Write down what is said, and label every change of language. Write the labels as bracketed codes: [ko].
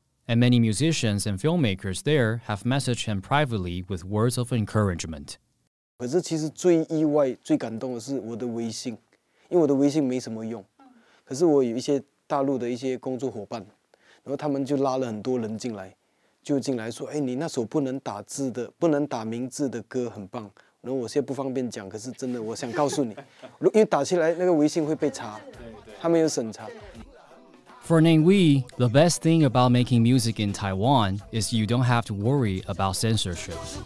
[en] And many musicians and filmmakers there have messaged him privately with words of encouragement. But actually, the most surprising, most touching is my WeChat. Because my WeChat doesn't have any use. But I have some Chinese work colleagues. And they brought a lot of people in. [zh] 就进来说，哎，你那首不能打字的、不能打名字的歌很棒。然后我现在不方便讲，可是真的，我想告诉你，因为打起来那个微信会被查，他们有审查。 [en] For Namewee, the best thing about making music in Taiwan is you don't have to worry about censorship.